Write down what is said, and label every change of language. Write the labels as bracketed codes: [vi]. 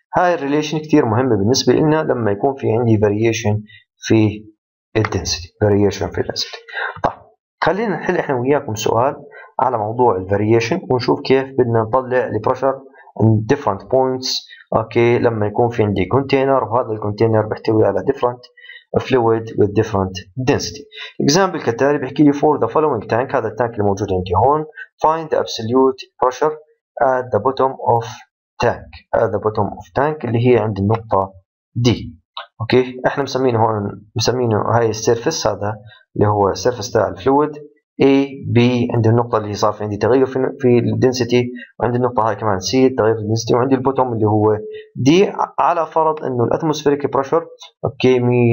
[ar] هاي الريليشن كثير مهمه بالنسبه لنا لما يكون في عندي فاريشن في الدنسيتي، فاريشن في الدنسيتي. طيب خلينا نحل احنا وياكم سؤال على موضوع الفاريشن ونشوف كيف بدنا نطلع البريشر عند ديفرنت بوينتس اوكي لما يكون في عندي كونتينر وهذا الكونتينر بيحتوي على ديفرنت [en] fluid with different density. Example [ar] كالتالي بحكي لي [en] for the following tank، [ar] هذا التانك اللي موجود عندي هون، [en] find the absolute pressure at the bottom of tank، at the bottom of tank [ar] اللي هي عند النقطة دي. اوكي احنا مسمينه هون، مسمينه هاي السيرفيس، هذا اللي هو السيرفيس تاع الفلويد A B عند النقطة اللي صار في عندي تغير في الدنسيتي، وعند النقطة هاي كمان C تغير في الدنسيتي، وعندي البوتوم اللي هو D على فرض انه الاتموسفيريك بريشر اوكي 100